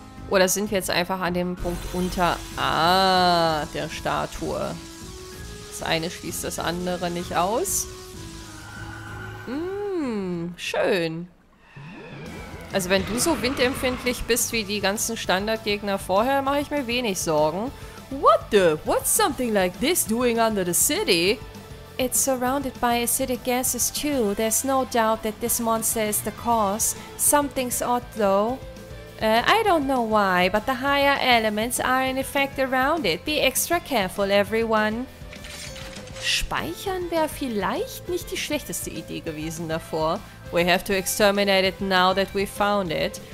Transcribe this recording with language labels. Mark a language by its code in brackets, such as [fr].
[de] Oder sind wir jetzt einfach an dem Punkt unter der Statue? Das eine schließt das andere nicht aus. Schön. Also wenn du so windempfindlich bist wie die ganzen Standardgegner vorher, mache ich mir wenig Sorgen. [en] What the? What's something like this doing under the city? It's surrounded by acidic gases too. There's no doubt that this monster is the cause. Something's odd though. I don't know why, but the higher elements are in effect around it. Be extra careful, everyone. [de] Speichern wäre vielleicht nicht die schlechteste Idee gewesen davor. [en] We have to exterminate it now that we found it.